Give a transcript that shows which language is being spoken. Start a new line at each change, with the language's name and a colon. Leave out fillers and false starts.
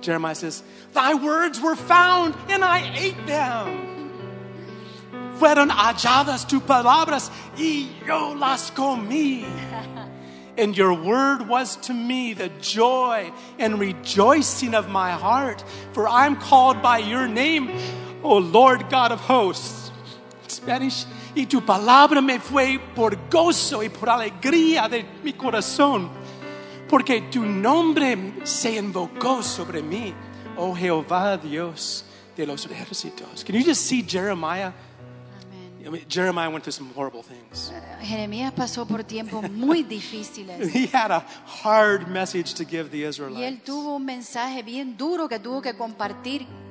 English: Jeremiah says, "Thy words were found, and I ate them.
Spanish: Fueron halladas tus palabras, y yo las comí.
English: And your word was to me the joy and rejoicing of my heart, for I'm called by your name, O Lord God of hosts." Spanish.
Spanish: Y tu palabra me fue por gozo y por alegría de mi corazón, porque tu nombre se invocó sobre mí, oh Jehová Dios de los ejércitos.
English: Can you just see Jeremiah? Amen. I mean, Jeremiah went through some horrible things.
Spanish: Jeremías pasó por tiempos muy difíciles.
English: He had a hard message to give the Israelites.
Spanish: Y él tuvo un mensaje bien duro que tuvo que compartir.